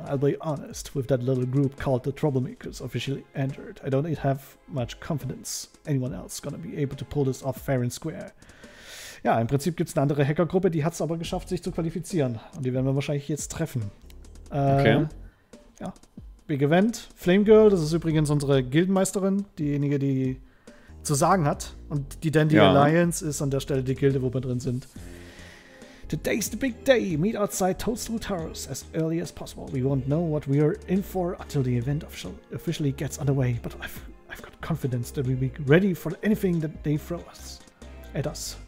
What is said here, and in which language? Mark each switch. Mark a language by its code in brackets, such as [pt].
[en] I'll be honest, with that little group called the Troublemakers officially entered, I don't have much confidence anyone else gonna be able to pull this off fair and square. [de] Ja, im Prinzip gibt's eine andere Hackergruppe, die hat's aber geschafft, sich zu qualifizieren. Und die werden wir wahrscheinlich jetzt treffen. Okay. Ja. Big Event, Flame Girl, das ist übrigens unsere Gildenmeisterin, diejenige, die zu sagen hat. Und die Dandy Alliance ist an der Stelle die Gilde, wo wir drin sind. [en] Today's the big day. Meet outside Toadstool Towers as early as possible. We won't know what we are in for until the event officially gets underway. But I've got confidence that we'll be ready for anything that they throw us at us.